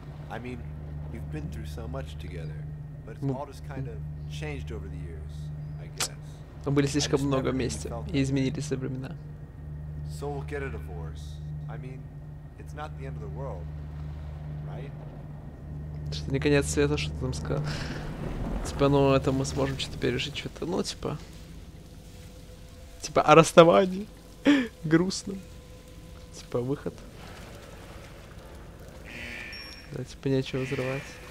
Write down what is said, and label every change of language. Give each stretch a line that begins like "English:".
English: I mean, we've been through so much together, but it's all just kind of changed over the years, I guess.
Russian: Мы были слишком много вместе и изменились со времена.
English: So we'll get a divorce. I mean, it's not the end of the world, right?
Russian: Что-то не конец света, что-то там сказал. Типа, ну это мы сможем что-то пережить, что-то, ну типа. Типа о расставании. Грустно. Типа выход. Да, типа нечего взрывать.